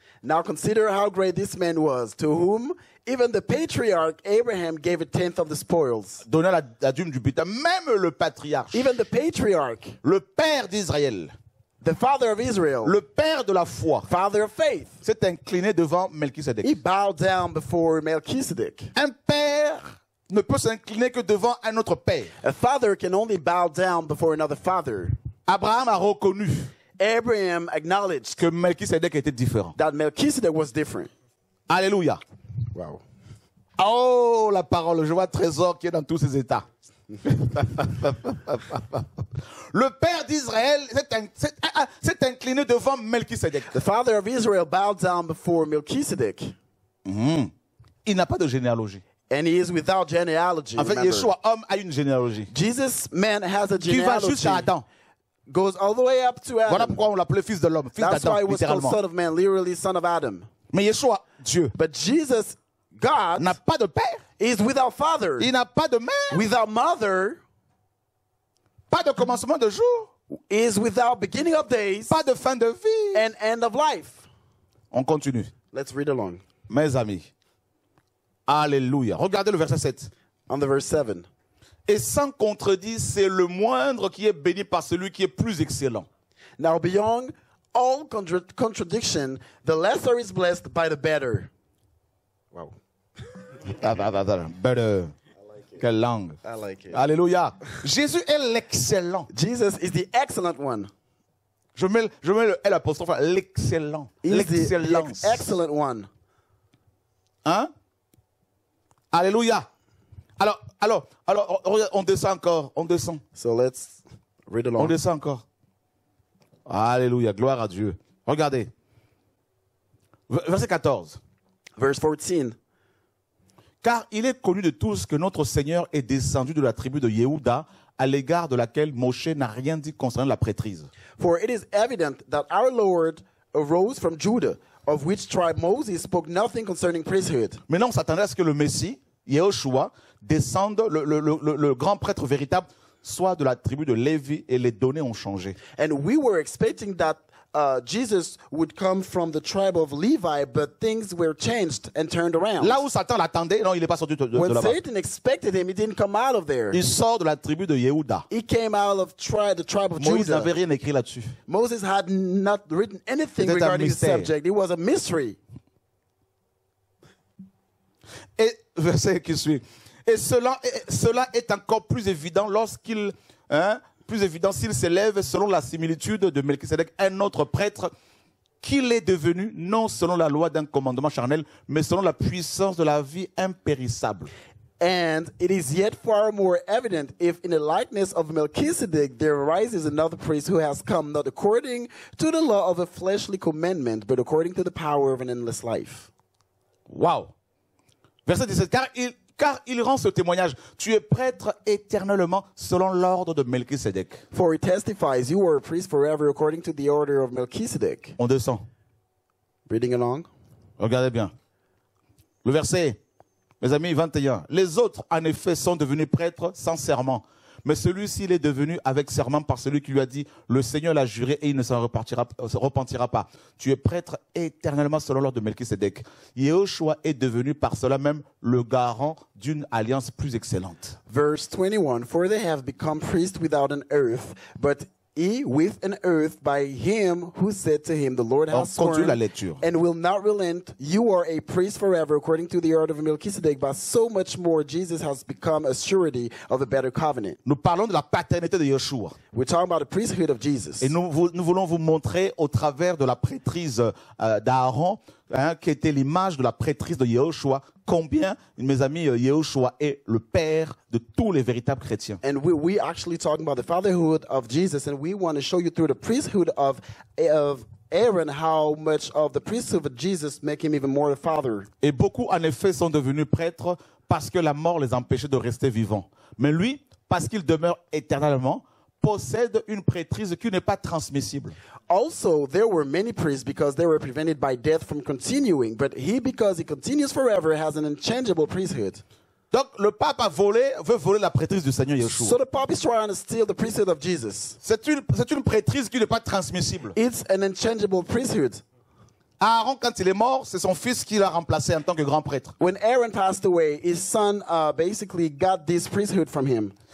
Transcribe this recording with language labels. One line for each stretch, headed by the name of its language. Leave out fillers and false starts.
English: Now consider how great this man was, to whom even the patriarch Abraham gave a tenth of the spoils.
French: Donna la dîme du butin, même le patriarche.
English: Even the patriarch.
French: Le père d'Israël.
English: The father of Israel.
French: Le père de la foi.
English: Father of faith.
French: S'est incliné devant Melchizedek.
English: He bowed down before Melchizedek.
French: Un père ne peut s'incliner que devant un autre père.
English: A father can only bow down before another father.
French: Abraham a reconnu.
English: Abraham acknowledged
French: que Melchizedek était différent.
English: That Melchizedek was different.
French: Alléluia.
English: Wow.
French: Oh, la parole, je vois un trésor qui est dans tous ses états. Le père d'Israël s'est incliné devant Melchizedek.
English: The father of Israel bowed down before Melchizedek.
French: Il n'a pas de généalogie.
English: And he is without genealogy.
French: En fait, Yeshua, homme, a une généalogie.
English: Jesus, man, has a genealogy.
French: Qui va jusqu'à Adam.
English: Goes all the way up to Adam.
French: Voilà pourquoi on l'appelait fils de l'homme, fils d'Adam, littéralement.
English: That's why he was called son of man, literally son of Adam.
French: Mais Yeshua, Dieu.
English: But Jesus, God,
French: n'a pas de père.
English: Is without father.
French: Il n'a pas de mère.
English: Without mother.
French: Pas de commencement de jour.
English: Is without beginning of days.
French: Pas de fin de vie.
English: And end of life.
French: On continue.
English: Let's read along.
French: Mes amis. Alléluia. Regardez le verset 7.
English: On the verse 7.
French: Et sans contredit, c'est le moindre qui est béni par celui qui est plus excellent.
English: Now beyond all contradiction, the lesser is blessed by the better. Wow. Better.
French: Quelle langue.
English: I like it.
French: Alléluia. Jésus est l'excellent.
English: Jesus is the excellent one.
French: Je mets le L apostrophe. L'excellent. L'excellence.
English: The excellent one.
French: Hein? Alléluia. Alors, on descend encore. On descend.
English: So let's read along.
French: On descend encore. Alléluia. Gloire à Dieu. Regardez. Verset 14.
English: Verse 14.
French: Car il est connu de tous que notre Seigneur est descendu de la tribu de Yehuda, à l'égard de laquelle Moshe n'a rien dit concernant la prêtrise.
English: For it is evident that our Lord arose from Judah, of which tribe Moses spoke nothing concerning priesthood.
French: Mais non, on s'attendait à ce que le Messie, Yehoshua, descende, le grand prêtre véritable, soit de la tribu de Lévi, et les données ont changé.
English: And we were expecting that Jesus would come from the tribe of Levi, but things were changed and turned around.
French: Là où Satan l'attendait, non, il n'est pas sorti de là-bas.
English: When Satan expected him, he didn't come out of there.
French: Il sort de la tribu de Yehuda.
English: He came out of the tribe of Judah.
French: Moïse n'avait rien écrit là-dessus.
English: Moses had not written anything regarding the subject. It was a mystery.
French: Et verset qui suit. Et cela est encore plus évident lorsqu'il plus évident s'il s'élève selon la similitude de Melchisédek, un autre prêtre qu'il est devenu, non selon la loi d'un commandement charnel, mais selon la puissance de la vie impérissable.
English: And it is yet far more evident if in the likeness of Melchizedek there rises another priest who has come not according to the law of a fleshly commandment, but according to the power of an endless life.
French: Wow. Verset 17. Car il rend ce témoignage. Tu es prêtre éternellement selon l'ordre de Melchizedek.
English: For he testifies, you are a priest forever according to the order of Melchizedek.
French: On descend.
English: Reading along.
French: Regardez bien. Le verset. Mes amis, 21. Les autres, en effet, sont devenus prêtres sans serment. Mais celui-ci, il est devenu avec serment par celui qui lui a dit, le Seigneur l'a juré et il ne s'en repentira pas. Tu es prêtre éternellement selon l'ordre de Melchizedek. Yehoshua est devenu par cela même le garant d'une alliance plus excellente.
English: Verse 21. For they have become priests without an oath, but he with an oath by him who said to him, the Lord has sworn and will not relent, you are a priest forever according to the order of Melchizedek, but so much more Jesus has become a surety of a better covenant.
French: Nous parlons de la paternité de Yeshua.
English: We're talking about the priesthood of Jesus.
French: Et nous voulons vous montrer au travers de la prêtrise d'Aaron, hein, qui était l'image de la prêtrise de Yehoshua, combien, mes amis, Yehoshua est le père de tous les véritables chrétiens.
English: And we actually talking about the fatherhood of Jesus, and we want to show you through the priesthood of Aaron how much of the priesthood of Jesus make him even more the father.
French: Et beaucoup en effet sont devenus prêtres parce que la mort les empêchait de rester vivants. Mais lui, parce qu'il demeure éternellement, possède une prêtrise qui n'est pas transmissible.
English: Also, there were many priests because they were prevented by death from continuing, but he, because he continues forever, has an unchangeable priesthood.
French: Donc, le pape a volé, veut voler la prêtrise du Seigneur Yeshua.
English: So the pope is trying to steal the priesthood of Jesus.
French: C'est une prêtrise qui n'est pas transmissible.
English: It's an unchangeable priesthood.
French: Aaron, quand il est mort, c'est son fils qui l'a remplacé en tant que grand prêtre.
English: When Aaron passed away, his son basically got this priesthood from him.